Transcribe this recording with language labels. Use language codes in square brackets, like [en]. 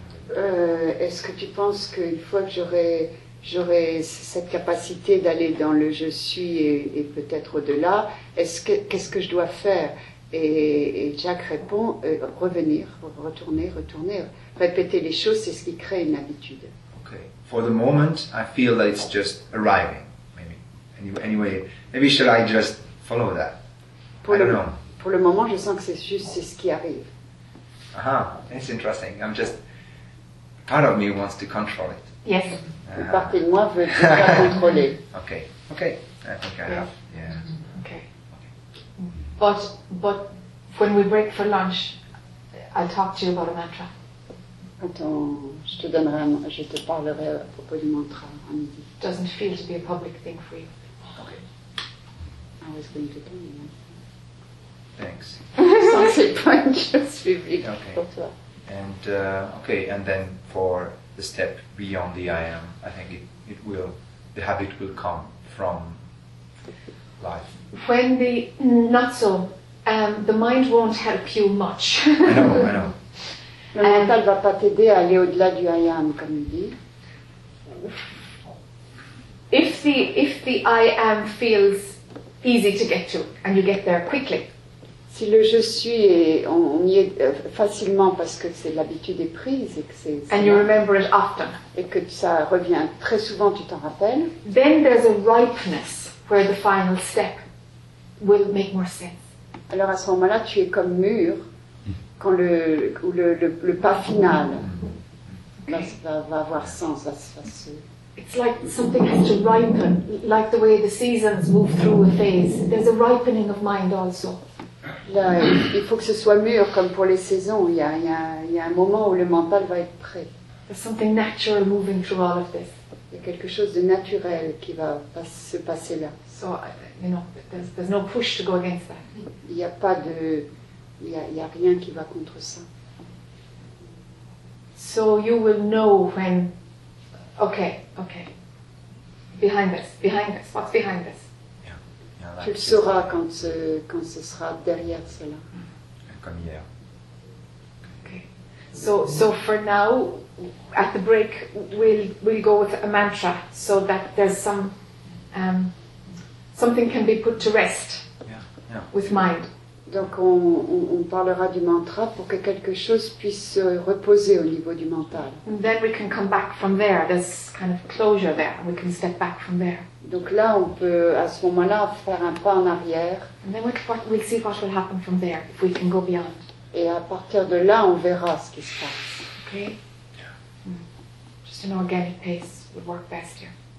[fr] Est-ce que tu penses qu'une fois que j'aurai cette capacité d'aller dans le je suis et peut-être au-delà, qu'est-ce que je dois faire? Et Jack répond, retourner. Répéter les choses, c'est ce qui crée une habitude. [en] Okay. For the moment, I feel that it's just arriving. Maybe. Anyway, maybe should I just follow that? I don't know. [fr] Pour le moment, je sens que c'est juste c'est ce qui arrive. [en] Ah, that's interesting. I'm just, part of me wants to control it. Yes. [fr] Une partie de moi veut pas contrôler. [en] Okay. I think I have. Yeah. But when we break for lunch, I'll talk to you about a mantra. Attends, je te donnerai, je te parlerai à propos du mantra. Doesn't feel to be a public thing for you. Okay. I was going to tell you. Thanks. [fr] Sans c'est pas une chose publique pour toi. [en] And and then for the step beyond the I am, I think it will, the habit will come from life. When the, not so, the mind won't help you much. I know. [fr] Le mental va pas t'aider à aller au-delà du I am, comme il dit. [en] If the I am feels easy to get to, and you get there quickly. [fr] Si le je suis est, on y est facilement parce que c'est l'habitude est prise et que c'est [en] and you remember it often. [fr] Et que ça revient très souvent, tu t'en rappelles. [en] Then there's a ripeness where the final step will make more sense. [fr] Alors à ce moment-là, tu es comme mûr quand le pas final va avoir sens. [en] It's like something has to ripen, like the way the seasons move through a phase. There's a ripening of mind also. [fr] Là, il faut que ce soit mûr comme pour les saisons. Il y a un moment où le mental va être prêt. [en] There's something natural moving through all of this. [fr] Il y a quelque chose de naturel qui va se passer là. [en] So, you know, there's no push to go against that. [fr] Il y a pas de, il y a rien qui va contre ça. [en] So you will know when. Okay. Behind this. What's behind this? Yeah. [fr] Tu le sauras quand ce sera derrière cela. Comme hier. [en] Okay. So for now, at the break, we'll go with a mantra so that there's some. Something can be put to rest with mind. [fr] Donc on parlera du mantra pour que quelque chose puisse se reposer au niveau du mental. [en] And then we can come back from there. There's kind of closure there. We can step back from there. [fr] Donc là, on peut à ce moment-là faire un pas en arrière. [en] And then we'll see what will happen from there if we can go beyond. [fr] Et à partir de là, on verra ce qui se passe. [en] Okay. Just an organic pace would work best here.